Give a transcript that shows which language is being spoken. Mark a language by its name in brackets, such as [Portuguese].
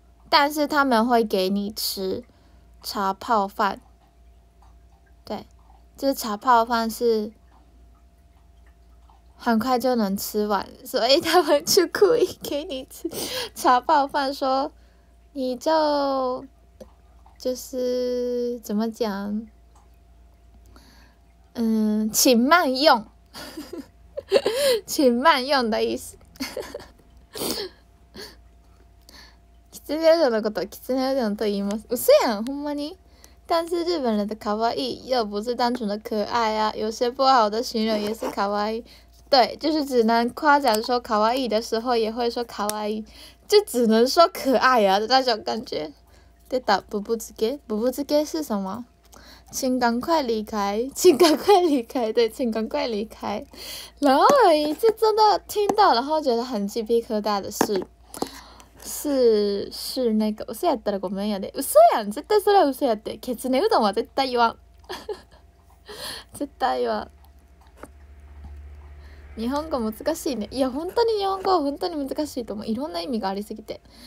[Chinese] 但是他们会给你吃茶泡饭，对，这茶泡饭是很快就能吃完，所以他们就故意给你吃茶泡饭，说你就是怎么讲，请慢用，请慢用的意思。 [Japanese] キツネうどんのことキツネうどんと言います。うそやん、ほんまに。 [Chinese] 但是日本人的可愛い又不是单纯的可爱啊，有些不好的形容也是可愛い。对，就是只能夸奖说可愛い的时候也会说可愛い，就只能说可爱啊的那种感觉。 [Japanese] 出た、 [Chinese] ブブ漬け。ブブ漬け是什么？请赶快离开，请赶快离开，对，请赶快离开。然后有一次真的听到，然后觉得很鸡皮疙瘩的事，是那个， [Japanese] 嘘やったらごめんやで。嘘やん、絶対それは嘘やって。ケツネうどんは絶対言わん。絶対言わん。日本語難しいね。いや、本当に日本語は本当に難しいと思う。いろんな意味がありすぎて。